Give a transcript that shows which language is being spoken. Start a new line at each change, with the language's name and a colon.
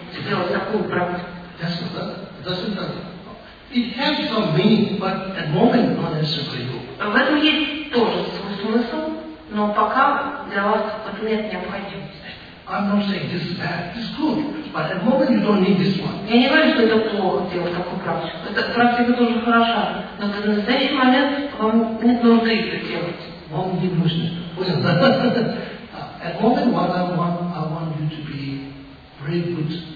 English: It has some meaning, but at the moment not necessary for you.
Russian: В этом есть тоже свой смысл, но пока для вас это нет необходимости.
English: I'm not saying this is bad, this is good, but at the moment you don't need this one.
Russian: Я не говорю, что это плохо делать такую практику. Эта практика тоже хороша, но в настоящий момент вам нет нужды это делать. Вам не нужно. Понял?
English: At the moment what I want you to be very good.